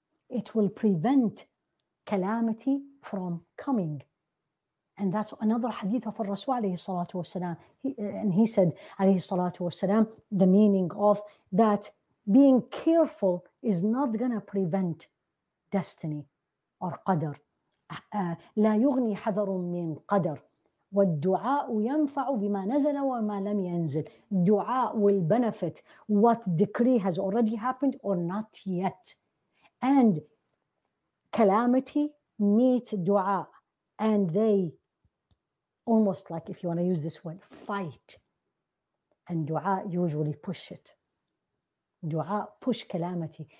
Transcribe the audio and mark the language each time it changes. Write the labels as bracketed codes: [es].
[en] It will prevent calamity from coming. And that's another hadith of Rasul alayhi salatu wasalam. And he said, alayhi salatu wasalam, the meaning of that being careful is not going to prevent destiny or qadr. [ar] لا يغني حذر من قدر، والدعاء ينفع بما نزل وما لم ينزل. [en] الدعاء will benefit what decree has already happened or not yet. And calamity meet دعاء. And they almost like, if you want to use this word, fight. And دعاء usually push it. دعاء push calamity.